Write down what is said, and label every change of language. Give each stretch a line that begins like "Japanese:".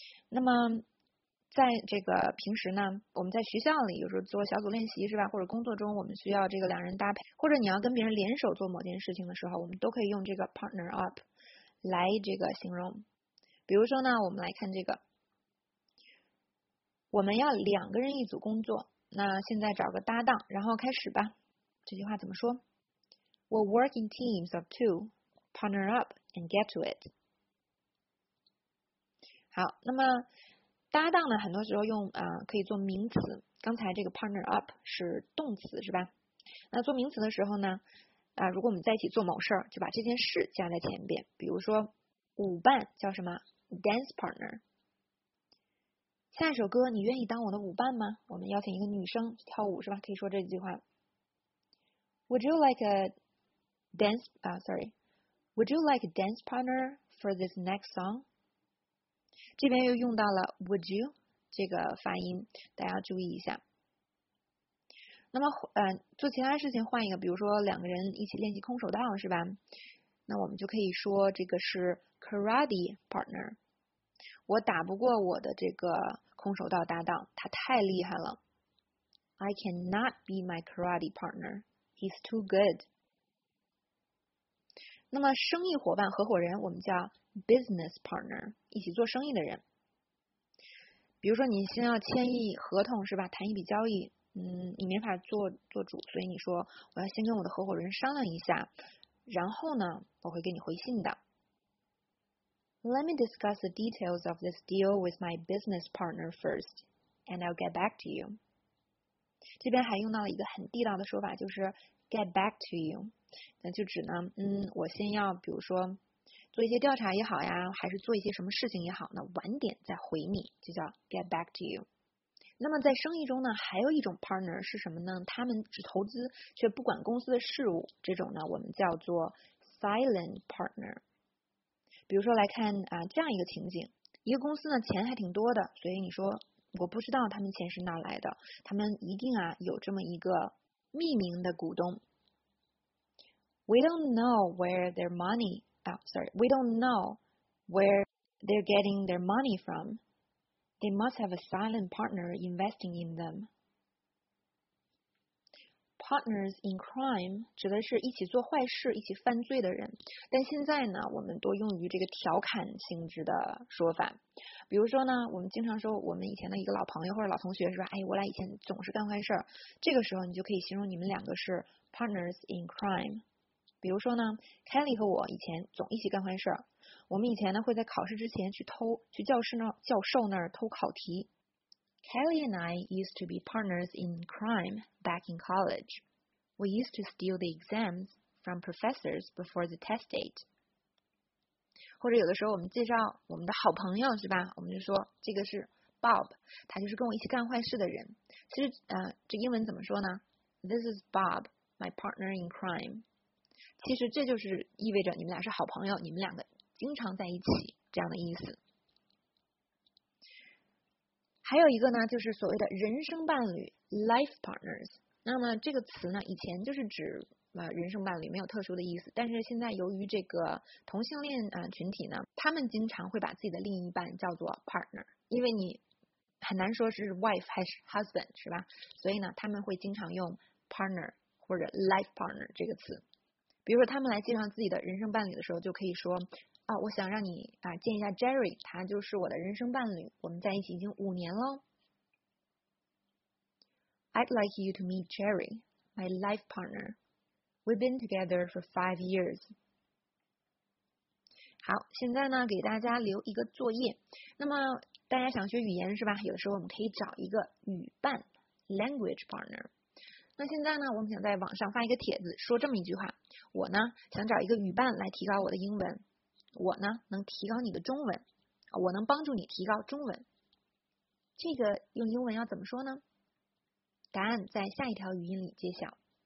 Chinese: 那么在这个平时呢，我们在学校里有时候做小组练习是吧，或者工作中我们需要这个两人搭配，或者你要跟别人联手做某件事情的时候，我们都可以用这个 partner up 来这个形容。比如说呢，我们来看这个，我们要两个人一组工作，那现在找个搭档，然后开始吧。这句话怎么说？
English: We'll work in teams of two, partner up and get to it。
Chinese: 好，那么搭档呢，很多时候用可以做名词。刚才这个 partner up 是动词，是吧？那做名词的时候呢，如果我们在一起做某事儿，就把这件事加在前边。比如说，舞伴叫什么？dance partner。下一首歌，你愿意当我的舞伴吗？我们邀请一个女生跳舞，是吧？
English: 可以说这句话：Would you like a dance？ Would you like a dance partner for this next song？
Chinese: 这边又用到了 "would you" 这个发音，大家要注意一下。那么，做其他事情换一个，比如说两个人一起练习空手道，是吧？那我们就可以说这个是 karate partner。我打不过我的这个空手道搭档，他太厉害了。
English: I cannot beat my karate partner. He's too good.
Chinese: 那么，生意伙伴、合伙人，我们叫 business partner，一起做生意的人。比如说，你先要签一合同是吧？谈一笔交易，你没法做主，所以你说我要先跟我的合伙人商量一下，然后呢，我会给你回信的。
English: Let me discuss the details of this deal with my business partner first, and I'll get back to you。
Chinese: 这边还用到了一个很地道的说法，就是
English: get back to you。
Chinese: 那就指呢，我先要，比如说做一些调查也好呀，还是做一些什么事情也好，那晚点再回你，就叫
English: get back to you。
Chinese: 那么在生意中呢，还有一种 partner 是什么呢？他们只投资却不管公司的事务，这种呢我们叫做 silent partner。比如说来看这样一个情景，一个公司呢钱还挺多的，所以你说我不知道他们钱是哪来的，他们一定啊有这么一个匿名的股东。
English: We don't know where their money. We don't know where they're getting their money from. They must have a silent partner investing in them. Partners in crime
Chinese: 指的是一起做坏事、一起犯罪的人。但现在呢，我们多用于这个调侃性质的说法。比如说呢，我们经常说我们以前的一个老朋友或者老同学是吧？哎，我俩以前总是干坏事儿。这个时候，你就可以形容你们两个是
English: partners in crime。
Chinese: 比如说呢，凯莉和我以前总一起干坏事儿。我们以前呢会在考试之前去教室那教授那儿偷考题。
English: Kelly and I used to be partners in crime back in college. We used to steal the exams from professors before the test date.
Chinese: 或者有的时候我们介绍我们的好朋友是吧？我们就说这个是 Bob，他就是跟我一起干坏事的人。其实这英文怎么说呢？
English: This is Bob, my partner in crime。
Chinese: 其实这就是意味着你们俩是好朋友，你们两个经常在一起这样的意思。还有一个呢，就是所谓的人生伴侣 （life partners）。那么这个词呢，以前就是指人生伴侣没有特殊的意思，但是现在由于这个同性恋群体呢，他们经常会把自己的另一半叫做 partner， 因为你很难说是 wife 还是 husband 是吧，所以呢他们会经常用 partner 或者 life partner 这个词。比如说他们来介绍自己的人生伴侣的时候就可以说，哦，我想让你见一下 Jerry， 他就是我的人生伴侣，我们在一起已经五年了。
English: I'd like you to meet Jerry, my life partner. We've been together for 5 years.
Chinese: 好，现在呢给大家留一个作业。那么大家想学语言是吧，有的时候我们可以找一个语伴 language partner。那现在呢我们想在网上发一个帖子，说这么一句话，我呢想找一个语伴来提高我的英文，我呢能提高你的中文，我能帮助你提高中文，这个用英文要怎么说呢？答案在下一条语音里揭晓。